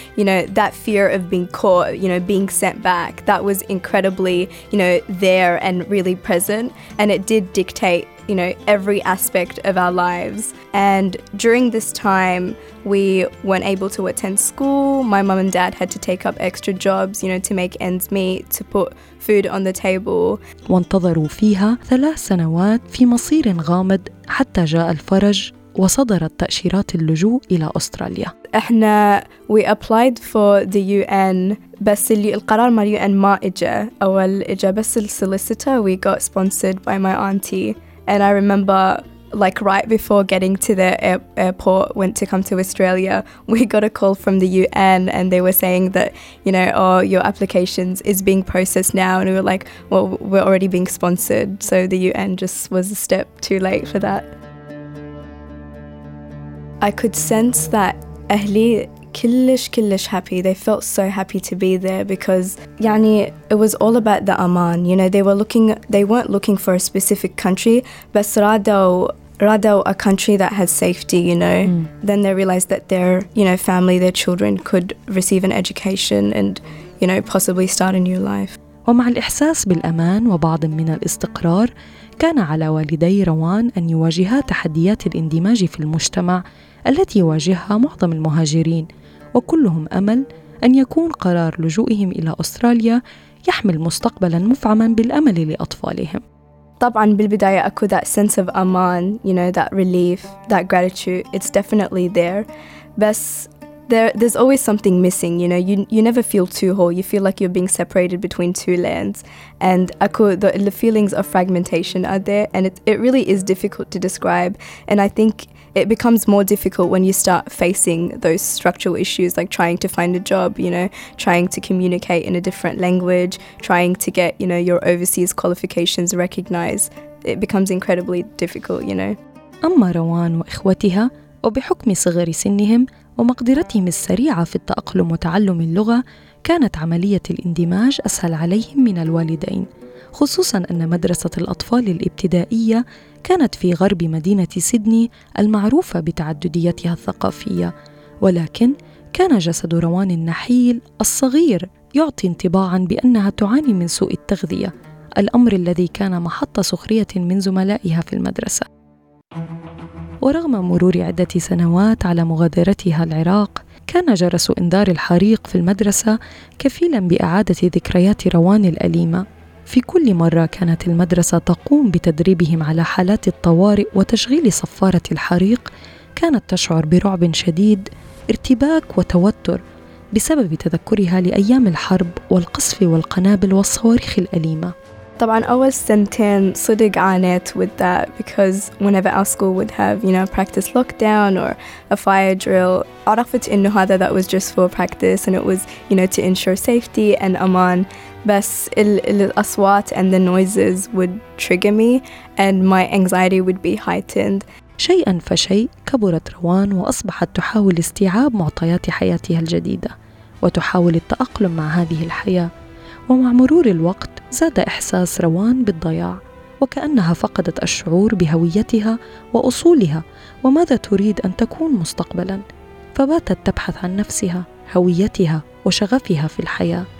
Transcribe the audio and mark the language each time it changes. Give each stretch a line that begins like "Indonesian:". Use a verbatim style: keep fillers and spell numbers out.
English: You know, that fear of being caught, you know, being sent back, that was incredibly, you know, there and really present. And it did dictate you know, every aspect of our lives. And during this time, we weren't able to attend school. My mum and dad had to take up extra jobs, you know, to make ends meet, to put food on the table.
Arabic: وانتظروا فيها ثلاث سنوات في مصير غامض حتى جاء الفرج وصدرت تأشيرات اللجوء إلى أستراليا. احنا
English: we applied for the
Arabic: يو إن، بس اللي القرار مع اليو إن ما إجا. أول إجا بس السوليسيتور.
English: We got sponsored by my auntie. And I remember, like right before getting to the air- airport, went to come to Australia, we got a call from the U N and they were saying that, you know, oh, your applications is being processed now. And we were like, well, we're already being sponsored. So the U N just was a step too late for that. I could sense that
Arabic: أهلي كلش كلش
English: happy. They felt so happy to be there because يعني it was all about the aman, you know. They were looking, they weren't looking for a specific country,
Arabic: بس رادوا رادوا
English: a country that has safety, you know. Mm. Then they realized that their, you know, family, their children could receive an education and, you know, possibly start a new life.
Arabic: ومع الإحساس بالأمان وبعض من الاستقرار، كان على والدي روان أن يواجها تحديات الاندماج في المجتمع التي يواجهها معظم المهاجرين، وكلهم أمل أن يكون قرار لجوئهم إلى أستراليا يحمل مستقبلاً مفعماً بالأمل لأطفالهم. طبعاً بالبداية أكو
English: that sense of أمان, you know, that relief, that gratitude, it's definitely there. بس there, there's always something missing, you know, you you never feel too whole, you feel like you're being separated between two lands. And ako, the, the feelings of fragmentation are there, and it, it really is difficult to describe. And I think it becomes more difficult when you start facing those structural issues, like trying to find a job, you know, trying to communicate in a different language, trying to get, you know, your overseas qualifications recognized. It becomes incredibly difficult, you know.
Arabic: أما روان وإخوتها وبحكم صغر سنهم ومقدرتهم السريعة في التأقلم وتعلم اللغة، كانت عملية الاندماج أسهل عليهم من الوالدين، خصوصاً أن مدرسة الأطفال الابتدائية كانت في غرب مدينة سيدني المعروفة بتعدديتها الثقافية، ولكن كان جسد روان النحيل الصغير يعطي انطباعاً بأنها تعاني من سوء التغذية، الأمر الذي كان محط سخرية من زملائها في المدرسة. ورغم مرور عدة سنوات على مغادرتها العراق، كان جرس إنذار الحريق في المدرسة كفيلاً بإعادة ذكريات روان الأليمة. في كل مرة كانت المدرسة تقوم بتدريبهم على حالات الطوارئ وتشغيل صفارة الحريق، كانت تشعر برعب شديد، ارتباك وتوتر بسبب تذكرها لأيام الحرب والقصف والقنابل والصواريخ الأليمة. طبعاً أول سنتين صدق عانيت
English: with that, because whenever our school would have, you know, practice lockdown or a fire drill,
Arabic: عرفت إنه هذا
English: that was just for practice and it was, you know, to ensure safety and aman.
Arabic: بس الأصوات
English: and the noises would trigger me and my anxiety would be heightened.
Arabic: شيئاً فشيء كبرت روان وأصبحت تحاول استيعاب معطيات حياتها الجديدة وتحاول التأقلم مع هذه الحياة. ومع مرور الوقت زاد إحساس روان بالضياع وكأنها فقدت الشعور بهويتها وأصولها وماذا تريد أن تكون مستقبلاً، فباتت تبحث عن نفسها، هويتها وشغفها في الحياة.